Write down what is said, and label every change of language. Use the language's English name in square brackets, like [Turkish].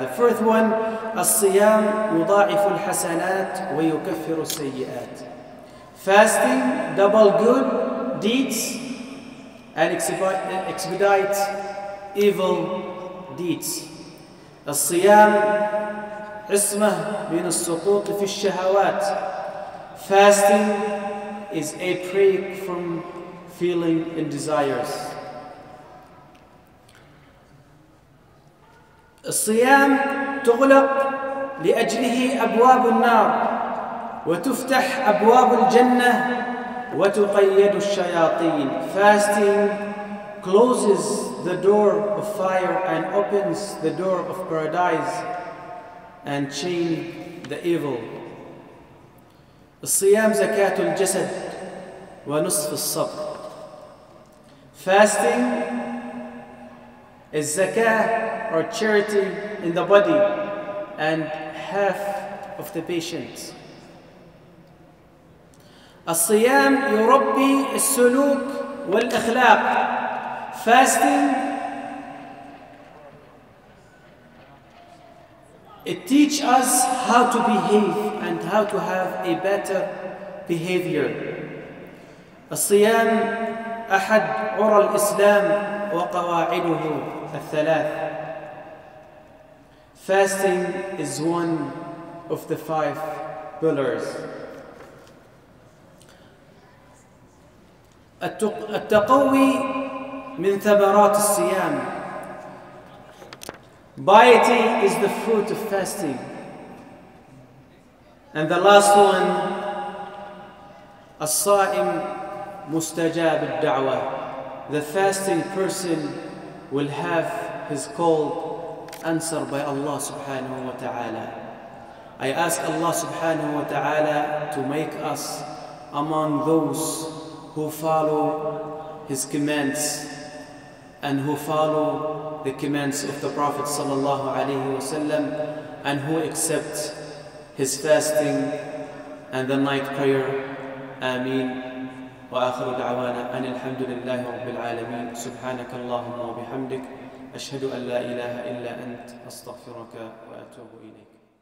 [English] The first one, [Arabic] الصيام يضاعف الحسنات ويكفر السيئات. [English] Fasting, double good deeds and expedite evil deeds. [Arabic] الصيام عصمة من السقوط في الشهوات. [English] Fasting is a break from feeling and desires. [Arabic] الصيام تغلق لأجله أبواب النار وتفتح أبواب الجنة وتقيد الشياطين. [English] Fasting closes the door of fire and opens the door of paradise and chain the evil. [Arabic] الصيام زكاة الجسد ونصف الصبر. [English] Fasting is zakah or charity in the body and half of the patience. [Arabic] الصيام يربي السلوك والأخلاق. [English] Fasting, it teach us how to behave and how to have a better behavior. [Arabic] الصيام أحد عرى الإسلام وقواعده الثلاث. [English] Fasting is one of the five pillars. [Arabic] التقوي من ثمرات الصيام. [English] Piety is the fruit of fasting. And the last one, [Arabic] الصائم مستجاب الدعوة. [English] The fasting person will have his call answered by Allah subhanahu wa ta'ala. I ask Allah subhanahu wa ta'ala to make us among those who follow his commands and who follow the commands of the Prophet sallallahu alayhi wa sallam and who accept his fasting and the night prayer. [Arabic] Ameen. Wa akhiru da'wana an alhamdulillahi rabbil alameen. Subhanaka Allahumma wa bihamdik. أشهد أن لا إله إلا أنت أستغفرك وأتوب إليك.